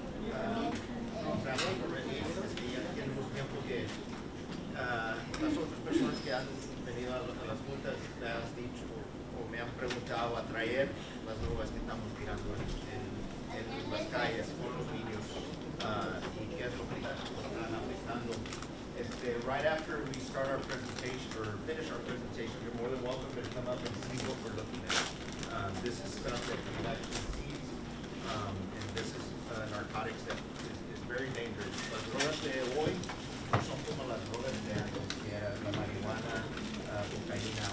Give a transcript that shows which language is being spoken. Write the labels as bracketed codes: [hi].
[es] Las otras personas que han venido a las juntas te has dicho o me han preguntado a traer las drogas que estamos tirando en las calles con los niños y qué es lo que están afectando. [en] Right after we start our presentation or finish our presentation, you're more than welcome to come up and see what we're looking at. This is stuff that we actually see, and this is narcotics that is very dangerous. [es] Las drogas de hoy son como las drogas de antes, que era la marihuana, cocaína.